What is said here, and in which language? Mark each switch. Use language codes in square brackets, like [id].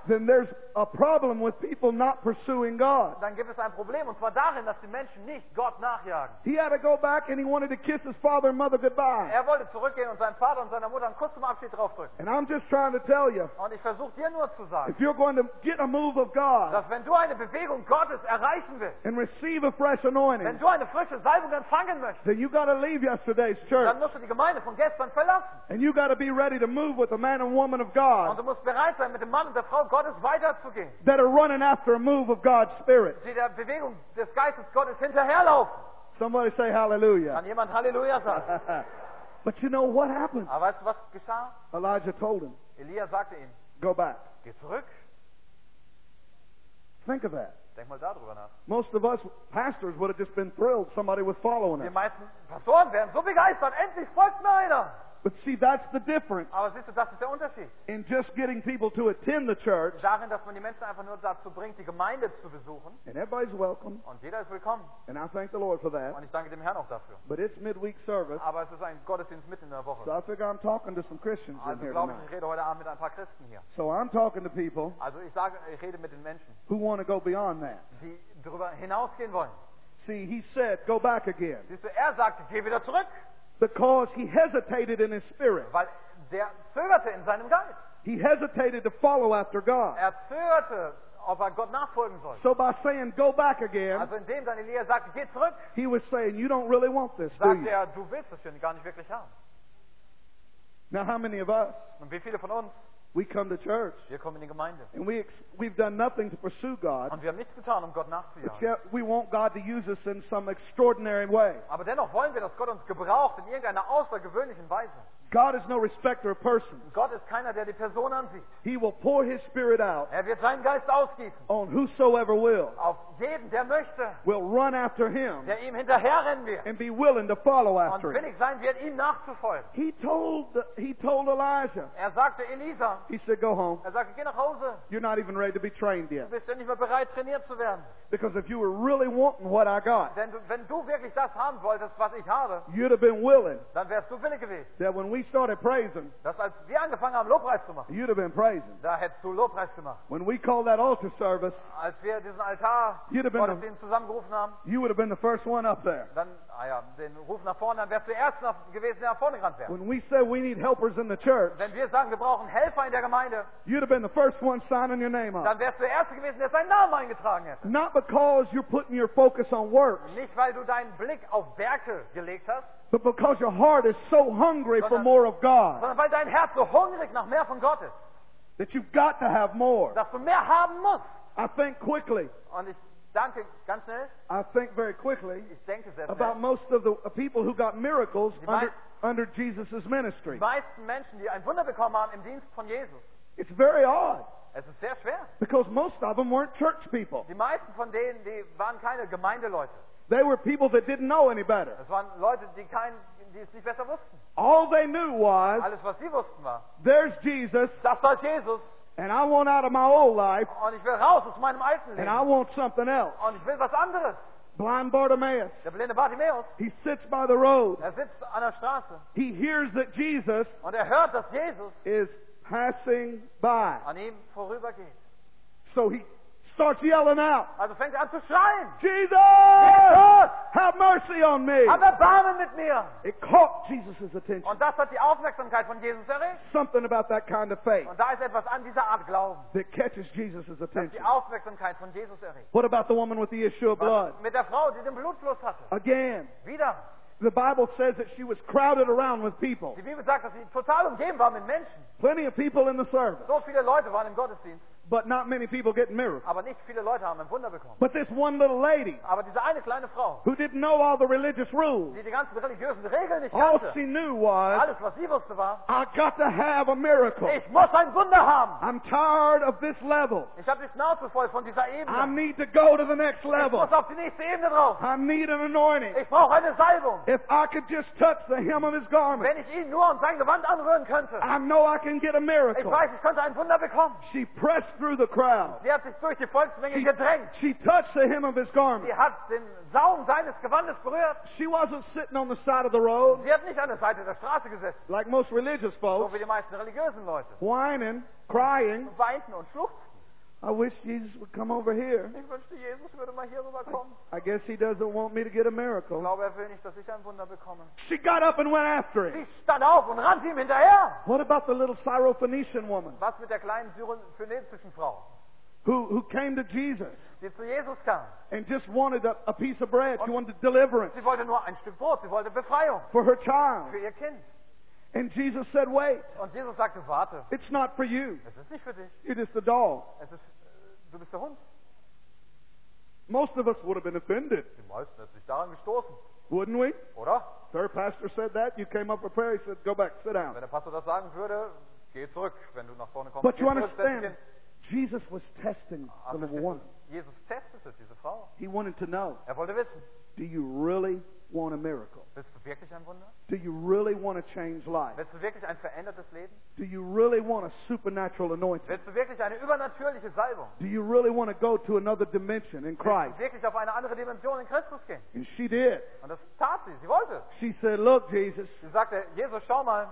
[en] Then there's a problem with people not pursuing God. [de] Dann gibt es ein Problem, und zwar darin, dass die Menschen nicht Gott nachjagen. [en] He had to go back and he wanted to kiss his father and mother goodbye. [de] Er wollte zurückgehen und seinen Vater und seiner Mutter einen Kuss zum Abschied draufdrücken. [en] And I'm just trying to tell you. [de] Und ich versuche dir nur zu sagen. [en] If you're going to get a move of God. [de] Dass wenn du eine Bewegung Gottes erreichen willst. [en] And receive a fresh anointing. [de] Wenn du eine frische Salbung empfangen möchtest, [en] then you got to leave yesterday's church. [de] Dann musst du die Gemeinde von gestern verlassen. [en] And you got to be ready to move with the man and woman of God. [de] Und du musst bereit sein, mit dem Mann und der Frau Gottes weiterzugehen. [en] That are running after a move of God's Spirit. [de] Die der Bewegung des Geistes Gottes hinterherlaufen. [en] Somebody say hallelujah. [de] Kann jemand hallelujah sagen? [en] But you know what happened? [de] Aber weißt du, was geschah? [en] Elijah told him. [de] Elia sagte ihm. [en] Go back. [de] Geh zurück. [en] Think of that. [de] Denk mal darüber nach. [en] Most of us pastors would have just been thrilled somebody was following us. [de] Die meisten Pastoren wären so begeistert, endlich folgt mir einer. [en] But see, that's the difference. [de] Aber siehst du, das ist der Unterschied. [en] In just getting people to attend the church. [de] Darin, dass man die Menschen einfach nur dazu bringt, die Gemeinde zu besuchen. [en] And everybody's welcome. [de] Und jeder ist willkommen. [en] And I thank the Lord for that. [de] Und ich danke dem Herrn auch dafür. [en] But it's midweek service. [de] Aber es ist ein Gottesdienst mitten in der Woche. [en] So I figure I'm talking to some Christians [de] also [en] in here. [de] Also glaube ich, ich rede heute Abend mit ein paar Christen hier. [en] So I'm talking to people. [de] Also ich sage, ich rede mit den Menschen. [en] Who want to go beyond that? [de] Die darüber hinausgehen wollen. [en] See, he said, go back again. [de] Siehst du, er sagte, geh wieder zurück. [en] Because he hesitated in his spirit. [de] Weil der zögerte in seinem Geist. [en] He hesitated to follow after God. [de] Er zögerte, ob er Gott nachfolgen soll. [en] So by saying go back again. [de] Also indem dann Elia sagte, geh zurück. [en] He was saying you don't really want this. [de] Sagte er, du willst es schon gar nicht wirklich haben. [en] Now how many of us? [de] Und wie viele von uns? [en] We come to church. [de] Wir kommen in die Gemeinde. [en] And we've done nothing to pursue God. [de] Und wir haben nichts getan, um Gott nachzujagen. [en] But yet we want God to use us in some extraordinary way. [de] Aber dennoch wollen wir, dass Gott uns gebraucht in irgendeiner außergewöhnlichen Weise. [en] God is no respecter of persons. [de] Gott ist keiner, der die Person ansieht. [en] He will pour his spirit out. [de] Er wird seinen Geist ausgießen. [en] On whosoever will. [de] Auf jeden, der möchte. [en] Will run after him. [de] Der ihm hinterherrennen wird. [en] And be willing to follow after [de] him. Und willig sein wird, ihm nachzufolgen. [en] He told Elijah. [de] Er sagte Elisa. [en] He said, go home. [de] Er sagte, geh nach Hause. [en] You're not even ready to be trained yet. [de] Du bist ja nicht mehr bereit, trainiert zu werden. [en] Because if you were really wanting what I got. [de] Denn wenn du wirklich das haben wolltest, was ich habe. [en] You'd have been willing. [de] Dann wärst du willig gewesen. [en] That when we started praising. [de] Dass als wir angefangen haben, Lobpreis zu machen. [en] You'd have been praising. [de] Da hättest du Lobpreis gemacht. [en] When we called that altar service. [de] Als wir diesen Altar Gottesdienst zusammengerufen haben. [en] You would have been the first one up there. [de] Dann den Ruf nach vorne, dann wärst du der Erste gewesen, der nach vorne gerannt wäre. [en] When we said we need helpers in the church. [de] Wenn wir sagen, wir brauchen Helfer in der Gemeinde. [en] You'd have been the first one signing your name up. [de] Dann wärst du der Erste gewesen, der seinen Namen eingetragen hätte. [en] Not because you're putting your focus on works. [de] Nicht weil du deinen Blick auf Werke gelegt hast. [en] But because your heart is so hungry for more of God. [de] Sondern weil dein Herz so hungrig nach mehr von Gott ist. [en] That you've got to have more. [de] Dass du mehr haben musst. [en] I think quickly. [de] Und ich danke ganz schnell. [en] I think very quickly. [de] Ich denke sehr schnell. [en] About most of the people who got miracles under Jesus' ministry. [de] Die meisten Menschen, die ein Wunder bekommen haben im Dienst von Jesus. [en] It's very odd. [de] Es ist sehr schwer. [en] Because most of them weren't church people. [de] Die meisten von denen, die waren keine Gemeindeleute. [en] They were people that didn't know any better. [de] Es waren Leute, die es nicht besser wussten. [en] All they knew was, [de] alles, was sie wussten, war, [en] there's Jesus, [de] das war Jesus, [en] and I want out of my old life, [de] und ich will raus aus meinem alten Leben, [en] and I want something else. [de] Und ich will was anderes. [en] Blind Bartimaeus. [de] Der blinde Bartimaeus. [en] He sits by the road. [de] Er sitzt an der Straße. [en] He hears that Jesus, [de] und hört, dass Jesus [en] is passing by. [de] An ihm vorübergeht. [en] So he starts yelling out. [de] Also fängt er an zu schreien. [en] Jesus! [de] Jesus! [en] Have mercy! mercy on me. [de] Hab Erbarmen mit mir. [en] It caught Jesus' attention. [de] Und das hat die Aufmerksamkeit von Jesus erregt. [en] Something about that kind of faith. [de] Und da ist etwas an dieser Art Glauben. [en] That catches Jesus' attention. [de] Die Aufmerksamkeit von Jesus erregt. [en] What about the woman with the issue of blood? [de] Mit der Frau, die den Blutfluss hatte. [en] Again. [de] Wieder. [en] The Bible says that she was crowded around with people. [de] Die Bibel sagt, dass sie total umgeben war mit Menschen. [en] Plenty of people in the service. [de] So viele Leute waren im Gottesdienst. [en] But not many people get miracles. [de] Aber nicht viele Leute haben ein Wunder bekommen. [en] But this one little lady, [de] aber diese eine kleine Frau, [en] who didn't know all the religious rules, [de] die ganzen religiösen Regeln nicht [en] all [de] kannte, [en] she knew was, [de] alles, was sie wusste, war, [en] I got to have a miracle. [de] Ich muss ein Wunder haben. [en] I'm tired of this level. [de] Ich habe die Schnauze voll von dieser Ebene. [en] I need to go to the next level. [de] Ich muss auf die nächste Ebene drauf. [en] I need an anointing. [de] Ich brauche eine Salbung. [en] If I could just touch the hem of his garment, [de] wenn ich ihn nur an sein Gewand anrühren könnte, [en] I know I can get a miracle. [de] Ich weiß, ich könnte ein Wunder bekommen. [en] She pressed through the crowd. [de] Sie hat sich durch die Volksmenge gedrängt. [en] She touched the hem of his garment. [de] Sie hat den Saum seines Gewandes berührt. [en] She wasn't sitting on the side of the road. [de] Sie hat nicht an der Seite der Straße gesessen. [en] Like most religious folks. [de] So wie die meisten religiösen Leute. [en] Whining, crying. [de] Weinten und schluchzen. [en] I wish Jesus would come over here. [de] Ich wünschte, Jesus würde mal hier rüberkommen. [en] I guess he doesn't want me to get a miracle. [de] Ich glaube, er will nicht, dass ich ein Wunder bekomme. [en] She got up and went after him. [de] Sie stand auf und rannte ihm hinterher. [en] What about the little Syrophoenician woman? [de] Was mit der kleinen syrophoenischen Frau? [en] Who came to Jesus? [de] Die zu Jesus kam. [en] And just wanted a piece of bread. She wanted deliverance. [de] Sie wollte nur ein Stück Brot. Sie wollte Befreiung. [en] For her child. [de] Für ihr Kind. [en] And Jesus said, wait. [de] Und Jesus sagte, warte. [en] It's not for you. [de] Es ist nicht für dich. [en] It is the dog. [de] Es ist, du bist der Hund. [en] Most of us would have been offended. [de] Die meisten hätten sich daran gestoßen. [en] Wouldn't we? [de] Oder? [en] Third pastor said that. You came up for prayer. He said, go back, sit down. [de] Wenn der Pastor das sagen würde, geh zurück. Wenn du nach vorne kommst, [en] but you understand, Jesus was testing the little one. [de] Jesus testete diese Frau. [en] He wanted to know. [de] Er wollte wissen. [en] Do you really want a miracle? [de] Willst du wirklich ein Wunder? [en] Do you really want to change life? [de] Willst du wirklich ein verändertes Leben? [en] Do you really want a supernatural anointing? [de] Willst du wirklich eine übernatürliche Salbung? [en] Do you really want to go to another dimension in Christ? [de] Willst du wirklich auf eine andere Dimension in Christus gehen? [en] And she did. [de] Und das tat sie. Sie wollte. [en] She said, "Look, Jesus." [de] Sie sagte, Jesus, schau mal.